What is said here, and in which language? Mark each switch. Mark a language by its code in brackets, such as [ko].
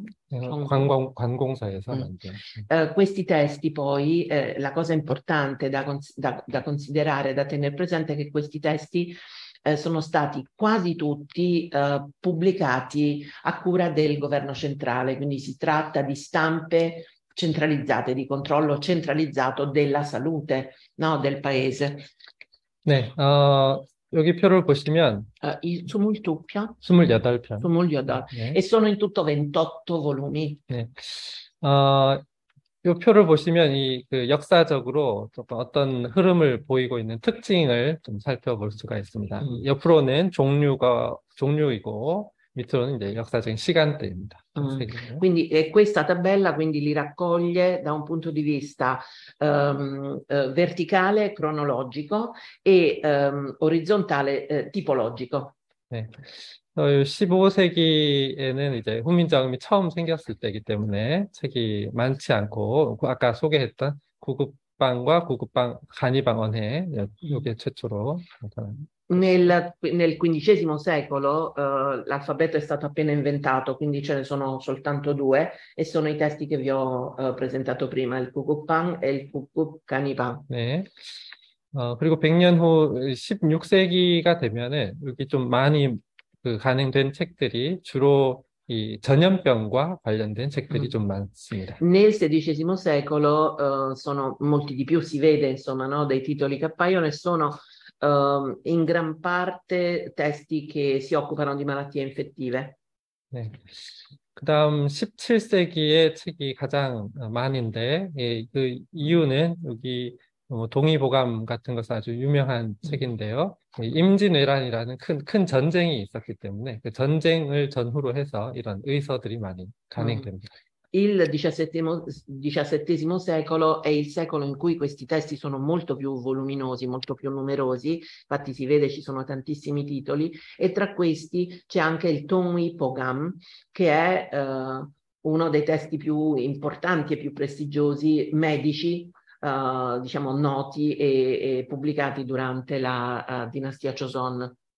[ko] 정부. 관공서에서 만든. [it] Questi testi poi, la cosa importante da considerare, da tenere presente è che questi testi sono stati quasi tutti pubblicati a cura del governo centrale, quindi si tratta di stampe centralizzate, di controllo centralizzato della salute, no, del paese. [ko] 네, 여기 표를 보시면, 이 수물투표, 28편. 수물여덟, 네. [it] e sono in tutto 28 volumi. 네. [ko] 요 표를 보시면, 역사적으로 조금 어떤 흐름을 보이고 있는 특징을 좀 살펴볼 수가 있습니다. 옆으로는 종류이고, 밑으로는 이제 역사적인 시간대입니다. 세계는. [it] Quindi è questa tabella quindi li raccoglie da un punto di vista verticale, cronologico e orizzontale tipologico. 네. [ko] 15세기에는 이제 훈민정음이 처음 생겼을 때이기 때문에 책이 많지 않고, 아까 소개했던 구급방과 구급방 간이방언회, 요게 최초로 나타납니다. [it] Nel XV secolo, l'alfabeto è stato appena inventato, quindi ce ne sono soltanto due, e sono i testi che vi ho presentato prima, il Kukupang e il Kukup Kanipang. Okay. 네. [ko] 그리고 100년 후 16세기가 되면은 여기 좀 많이 간행된 책들이 주로 이 전염병과 관련된 책들이 좀 많습니다. [it] Nel XVI secolo sono molti di più, si vede insomma, no? Dai titoli che appaiono e sono in gran parte testi che si occupano di malattie infettive. 네. [ko] 그다음 17세기의 책이 가장 많은데, 예, 그 이유는 여기 동의보감 같은 것은 아주 유명한 책인데요. 임진왜란이라는 큰 전쟁이 있었기 때문에 그 전쟁을 전후로 해서 이런 의서들이 많이 간행됩니다. [it] Il XVII secolo è il secolo in cui questi testi sono molto più voluminosi, molto più numerosi, infatti si vede ci sono tantissimi titoli e tra questi c'è anche il Tongyi Pogam che è uno dei testi più importanti e più prestigiosi medici, diciamo noti e pubblicati durante la dinastia Joseon.